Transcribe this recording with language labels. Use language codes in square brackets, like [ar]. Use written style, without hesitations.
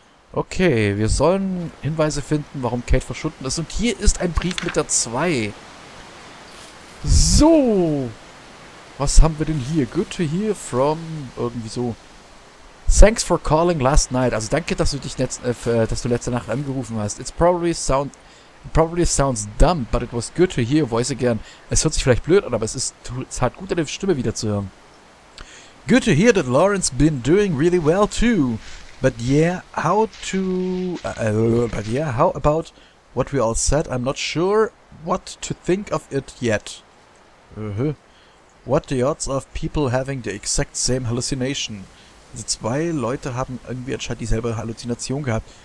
[de] Okay, wir sollen Hinweise finden, warum Kate verschwunden ist. Und hier ist ein Brief mit der 2. So. Was haben wir denn hier? [en] Good to hear from. [de] Irgendwie so. [en] Thanks for calling last night. [de] Also danke, dass du dich dass du letzte Nacht angerufen hast. [en] It probably sounds dumb, but it was good to hear your voice again. [de] Es hört sich vielleicht blöd an, aber es hat gut, deine Stimme wieder zu hören. [en] Good to hear that Lauren's been doing really well too. But yeah, how about what we all said? I'm not sure what to think of it yet. What the odds of people having the exact same hallucination? [de] Also zwei Leute haben irgendwie anscheinend dieselbe Halluzination gehabt.